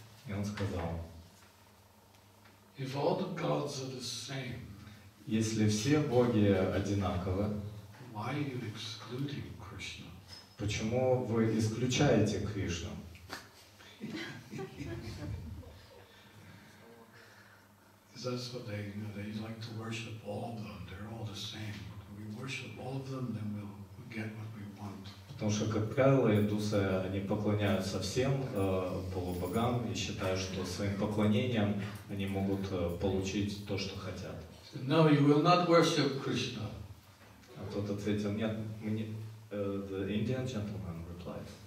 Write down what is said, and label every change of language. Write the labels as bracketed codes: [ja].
[ru] И он сказал. [en] If all the gods are the same, [ru] если все боги одинаковы, [en] why are you excluding Krishna? [ru] Почему вы исключаете Кришну? [en] That's what they, you know, they like to worship all of them. They're all the same. If we worship all of them, then we'll get what we want. [ru] Потому что, как правило, индусы, они поклоняются всем полубогам и считают, что своим поклонением они могут получить то, что хотят. [en] No, you will not worship Krishna. [ru] А тот ответил, нет, мы не... [en] The Indian gentleman replied.